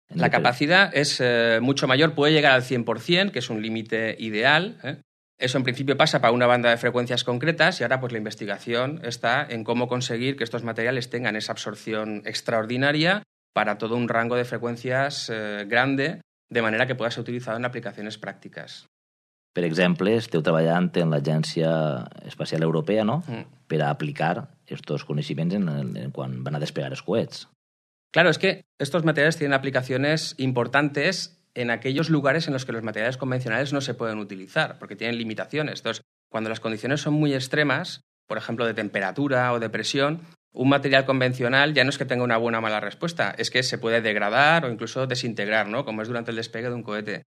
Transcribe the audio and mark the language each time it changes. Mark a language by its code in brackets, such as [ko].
[es] La capacidad es mucho mayor, puede llegar al 100%, que es un límite ideal, ¿eh? Eso en principio pasa para una banda de frecuencias concretas y ahora pues la investigación está en cómo conseguir que estos materiales tengan esa absorción extraordinaria para todo un rango de frecuencias grande, de manera que pueda ser utilizado en aplicaciones prácticas. [ca] Per exemple, esteu treballant en l'Agència Espacial Europea, ¿no?, per a aplicar estos coneixements en quan van a despegar els coets. [es] Claro, es que estos materiales tienen aplicaciones importantes en aquellos lugares en los que los materiales convencionales no se pueden utilizar, porque tienen limitaciones. Entonces, cuando las condiciones son muy extremas, por ejemplo, de temperatura o de presión, un material convencional ya no es que tenga una buena o mala respuesta, es que se puede degradar o incluso desintegrar, ¿no?, como es durante el despegue de un cohete.